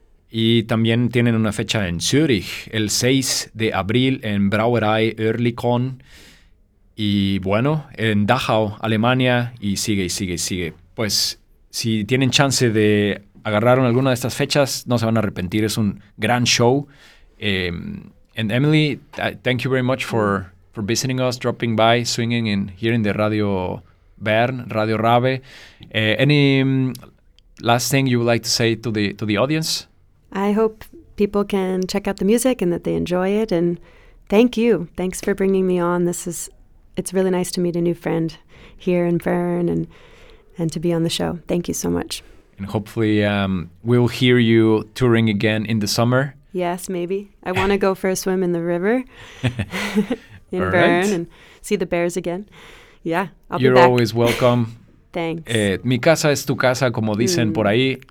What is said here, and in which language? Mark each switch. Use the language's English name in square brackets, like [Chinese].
[Spanish] Y también tienen una fecha en Zurich, el 6 de abril en Brauerei Oerlikon. Y bueno, en Dachau, Alemania, y sigue, sigue, sigue. Pues si tienen chance de agarrar alguna de estas fechas, no se van a arrepentir. Es un gran show. [English] And Emily, thank you very much for visiting us, dropping by, swinging in here in the Radio Bern, Radio Rave. Any last thing you would like to say to the audience? I hope people can check out the music and that they enjoy it. And thank you. Thanks for bringing me on. It's really nice to meet a new friend here in Bern and to be on the show. Thank you so much. And hopefully we'll hear you touring again in the summer. Yes, maybe. I want to go for a swim in the river in All Bern right. and see the bears again. Yeah, I'll You're be back. You're always welcome. Thanks. [Spanish] Mi casa es tu casa, como dicen por ahí.